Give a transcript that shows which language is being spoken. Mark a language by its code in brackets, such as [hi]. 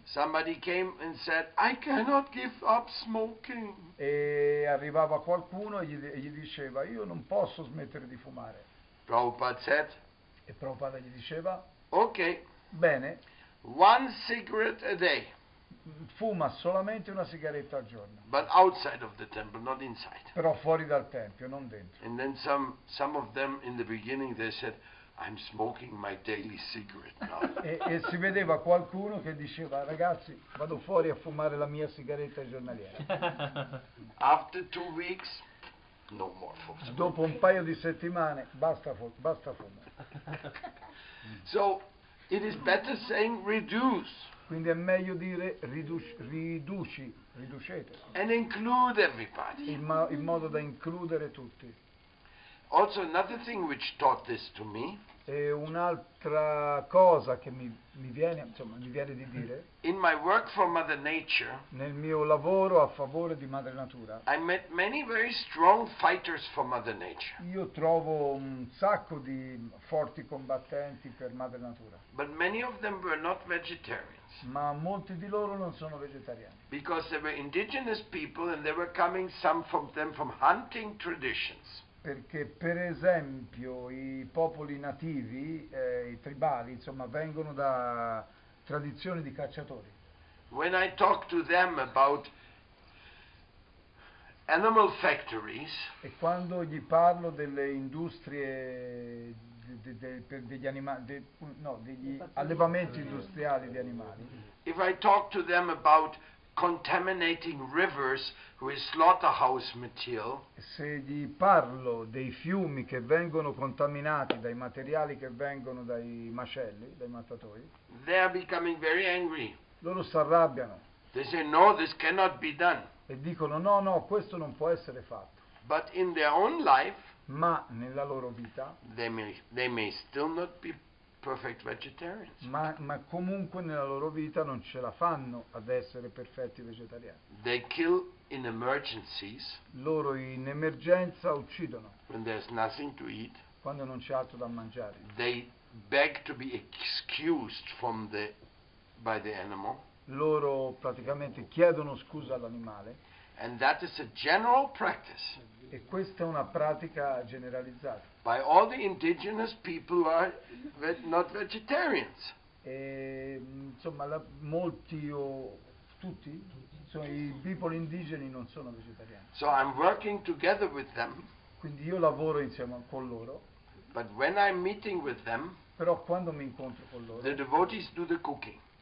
[en] Somebody came and said, I cannot give up smoking. [it] E arrivava qualcuno e gli diceva, io non posso smettere di fumare. [en] Prabhupada said. [it] E Prabhupada gli diceva, [en] ok, [it] bene, [en] one cigarette a day. [it] Fuma solamente una sigaretta al giorno. [en] But outside of the temple, not inside. [it] Però fuori dal tempio, non dentro. [en] And then some of them in the beginning they said, I'm smoking my daily cigarette now. [it] E si vedeva qualcuno che diceva, ragazzi, vado fuori a fumare la mia sigaretta giornaliera. [en] After 2 weeks, no more smoking. [it] Dopo un paio di settimane, basta fumare. [en] So it is better saying reduce. [it] Quindi è meglio dire riducete. [en] And include everybody. [it] In modo da includere tutti. [en] Also another thing which taught this to me. [it] E un'altra cosa che mi viene di dire. [en] In my work for Mother Nature. [it] Nel mio lavoro a favore di Madre Natura. [en] I met many very strong fighters for Mother Nature. [it] Io trovo un sacco di forti combattenti per Madre Natura. [en] But many of them were not vegetarian. [it] Ma molti di loro non sono vegetariani. [en] Because they were indigenous people and they were coming some from them from hunting traditions. [it] Perché per esempio i popoli nativi, i tribali, insomma, vengono da tradizioni di cacciatori. [en] When I talk to them about animal factories. [it] E quando gli parlo delle industrie degli animali, degli allevamenti industriali di animali. [en] If I talk to them about contaminating rivers with slaughterhouse material, [it] se gli parlo dei fiumi che vengono contaminati dai materiali che vengono dai macelli, dai mattatoi, [en] they are becoming very angry. [it] Loro si arrabbiano. [en] They say no, this cannot be done. [it] E dicono no, questo non può essere fatto. [en] But in their own life. [it] Ma nella loro vita [en] they may still not be perfect vegetarians. [it] Ma comunque nella loro vita non ce la fanno ad essere perfetti vegetariani. [en] They kill in emergencies. [it] Loro in emergenza uccidono. [en] When there's nothing to eat. [it] Quando non c'è altro da mangiare. [en] They beg to be excused from the by the animal. [it] Loro praticamente chiedono scusa all'animale. [en] And that is a general practice. [it] E questa è una pratica generalizzata. [en] By all the indigenous people who are not vegetarians. [it] E, insomma, molti o tutti, insomma, i popoli indigeni non sono vegetariani. [en] So I'm working together with them. [it] Quindi io lavoro insieme con loro. [en] But when I'm meeting with them. [it] Però quando mi incontro con loro. [en] The devotees do the cooking.